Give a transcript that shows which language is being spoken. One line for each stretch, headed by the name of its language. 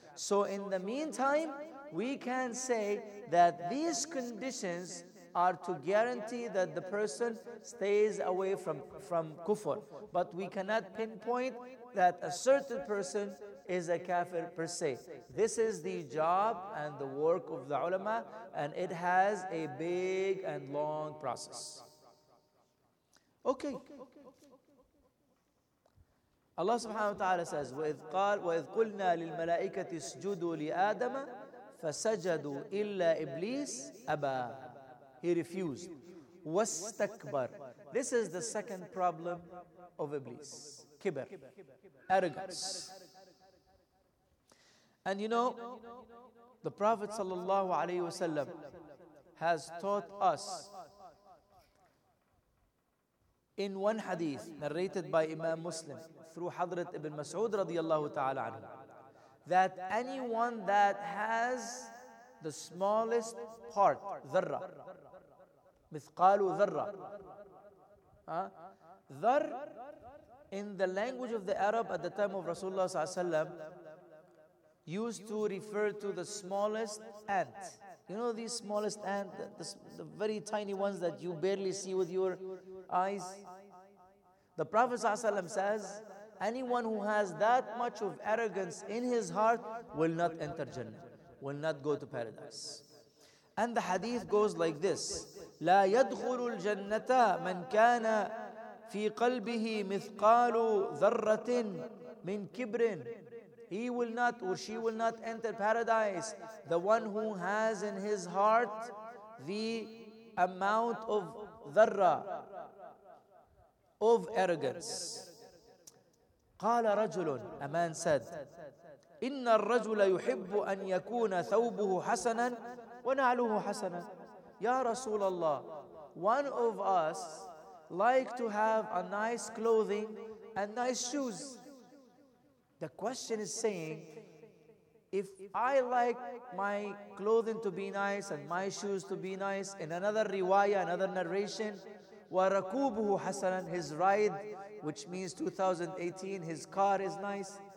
English: So in the meantime, we can say that these conditions are to guarantee that the person stays away from kufr. But we cannot pinpoint that a certain person is a kafir per se. This is the job and the work of the ulama, and it has a big and long process. Okay. Allah subhanahu wa ta'ala says,
Arabic: وَإِذْ قُلْنَا لِلْمَلَائِكَةِ اسْجُدُوا لِآدَمَ فَسَجَدُوا إِلَّا إِبْلِيسَ أَبَى.
English: He refused.
Arabic: وَاسْتَكْبَرْ.
English: This is the second problem of Iblis. Kibr. Arrogance. And you know, the Prophet sallallahu alayhi wa sallam has taught us in one hadith narrated by Imam Muslim through Hadrat Ibn Mas'ud radiyallahu ta'ala anhu, that anyone that has the smallest part, dharra, mithqalu dharra, dhar in the language of the Arab at the time of Rasulullah sallallahu alayhi wa sallam used to refer to the smallest ant. You know these smallest ants, the very tiny ones that you barely see with your eyes? The Prophet ﷺ says, anyone who has that much of arrogance in his heart will not enter Jannah, will not go to paradise. And the hadith goes like this,
Arabic: لا يدخل الجنة من كان في قلبه مثقال ذرة من كبر.
English: He will not, or she will not enter paradise. The one who has in his heart the amount of dharra, of arrogance.
Arabic: قال رجل,
English: a man said,
Arabic: إن الرجل يحب أن يكون ثوبه حسنا ونعله حسنا. يا رسول الله,
English: one of us like to have a nice clothing and nice shoes. The question is saying, if I like my clothing to be nice and my shoes to be nice, in another riwayah, another narration,
Arabic: وَرَكُوبُهُ حَسَنًا,
English: his ride, which means 2018, his car is nice.